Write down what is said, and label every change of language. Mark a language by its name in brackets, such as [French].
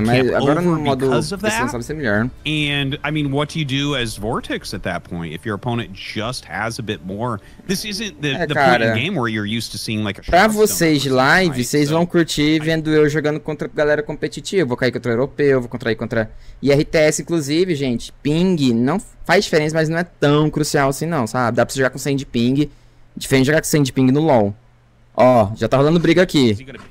[Portuguese] Mas agora no modo distância vai ser melhor. [English] And, I mean, what do you do as Vortex at that point? If your opponent just has a bit more... This isn't the point in game where you're used to seeing like a... [Portuguese] Pra vocês de live, vocês vão curtir vendo eu jogando contra galera competitiva. Vou cair contra europeu, vou contrair contra... E RTS, inclusive, gente, ping não faz diferença, mas não é tão crucial assim, não, sabe? Dá pra você jogar com 100 de ping, diferente de jogar com 100 de ping no LoL. Ó, já tá rolando briga aqui.